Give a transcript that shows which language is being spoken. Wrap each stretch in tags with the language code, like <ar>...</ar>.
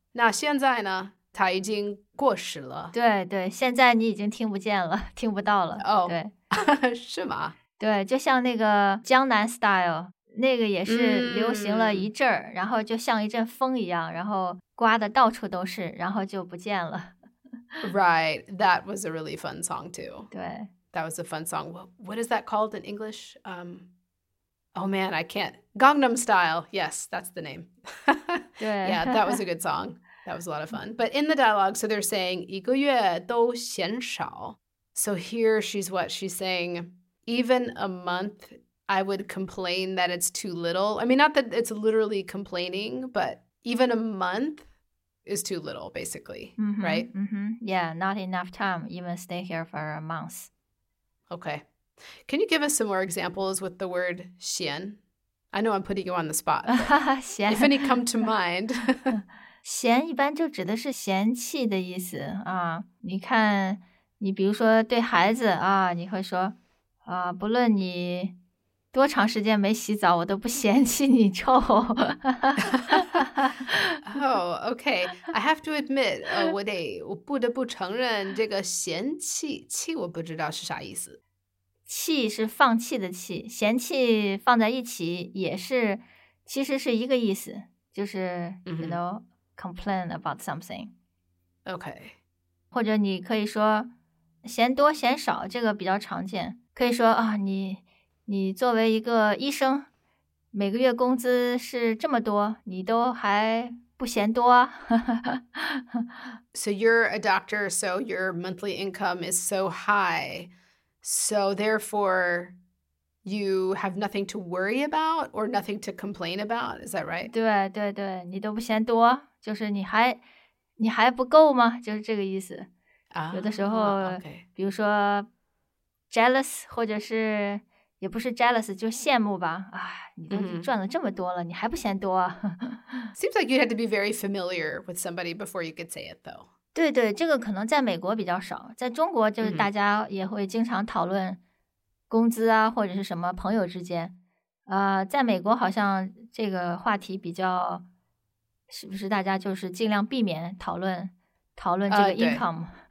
<zh>那现在呢？它已经过时了。对对，现在你已经听不见了，听不到了。哦、 oh, ，对，是吗？对，就像那个江南 style， 那个也是流行了一阵儿、嗯，然后就像一阵风一样，然后刮的到处都是，然后就不见了。</zh> <en>Right, that was a really fun song too.</en> <zh>对</zh> <en>，That was a fun song. What is that called in English? Oh man, I can't. Gangnam Style. Yes, that's the name. Yeah, that was a good song. That was a lot of fun. But in the dialogue, so they're saying</en> <zh>一个月都嫌少.</zh> <en>So here she's what? She's saying, even a month, I would complain that it's too little. I mean, not that it's literally complaining, but even a month is too little, basically, mm-hmm, right? Mm-hmm. Yeah, not enough time. Even stay here for a month. Okay. Can you give us some more examples with the word 闲? I know I'm putting you on the spot.</en> <zh>闲</zh> <en>If any come to mind.</en> <zh>闲一般就指的是闲气的意思啊。你看，你比如说对孩子啊，你会说啊，不论你多长时间没洗澡，我都不嫌弃你臭。</zh> <en>Oh, okay. I have to admit,</en> <zh>我不得不承认这个闲气，气我不知道是啥意思。气是放弃的气，嫌弃放在一起也是，其实是一个意思，就是、mm-hmm.</zh> <en>you know, complain about something. Okay.</en> <zh>或者你可以说嫌多嫌少，这个比较常见。可以说啊，你作为一个医生，每个月工资是这么多，你都还不嫌多、啊。</zh> <en>So you're a doctor, so your monthly income is so high. So therefore, you have nothing to worry about or nothing to complain about. Is that right?</en> <zh>对对对，你都不嫌多，就是你还不够吗？就是这个意思。 Ah, 有的时候，</zh> <en>oh, okay.</en> <zh>比如说 jealous， 或者是也不是 jealous， 就羡慕吧。啊，你都赚了这么多了， mm-hmm. 你还不嫌多？</zh> <en>Seems like you had to be very familiar with somebody before you could say it, though.</en> <zh>对对，这个可能在美国比较少，在中国就是大家也会经常讨论工资啊、mm-hmm. 或者是什么朋友之间，在美国好像这个话题比较，是不是大家就是尽量避免讨论这个 income？</zh>